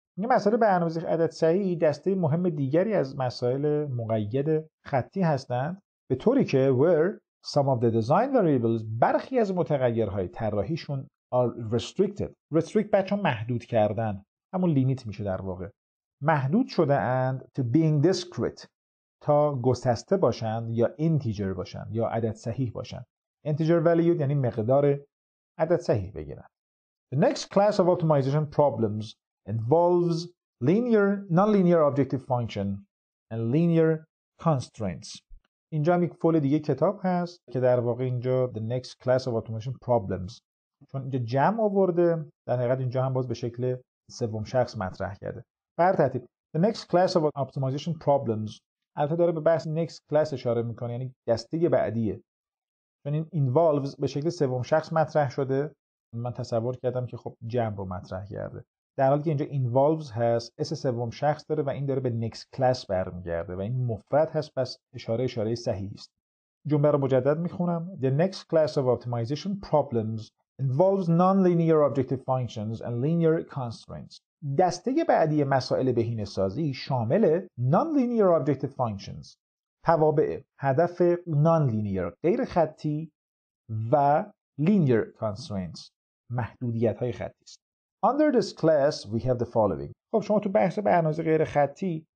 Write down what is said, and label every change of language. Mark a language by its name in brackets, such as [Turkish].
[Persian] این مسئله برنامه‌ریزی عدد صحیح دسته مهم دیگری از مسائل مقید خطی هستند، به طوری که [English] where some of the design variables، [Persian] برخی از متغیرهای طراحیشون [English] are restricted. [Persian] Restrict بچه ها محدود کردن، همون limit میشه در واقع، محدود شده اند [English] to being discrete، [Persian] تا گسسته باشند یا integer باشند یا عدد صحیح باشند. Integer value یعنی مقدار عدد صحیح بگیرن. [English] The next class of optimization problems involves linear, non-linear objective function and linear constraints. [Persian] اینجا هم یک فول دیگه کتاب هست که در واقع اینجا [English] The Next Class of Automation Problems، [Persian] چون اینجا جمع آورده در حقیقت اینجا هم باز به شکل سوم شخص مطرح کرده. بر ترتیب [English] The Next Class of Optimization Problems، [Persian] البته داره به بحث Next Class اشاره میکنه، یعنی دسته بعدیه، چون این Involves به شکل سوم شخص مطرح شده، من تصور کردم که خب جمع رو مطرح کرده، در حالی که اینجا involves هست، اس سوم شخص داره و این داره به next class برمیگرده و این مفرد هست، پس اشاره صحیح است. جمله رو مجدد میخونم. [English] The next class of optimization problems involves non-linear objective functions and linear constraints. [Persian] دسته بعدی مسائل بهینه‌سازی شامل [English] non-linear objective functions، [Persian] توابع هدف non-linear، غیر خطی، و [English] linear constraints، [Persian] محدودیت های خطی است. [English] Under this class we have the following. [Persian] خب شما تو بحث برنامه‌ریزی غیر خطی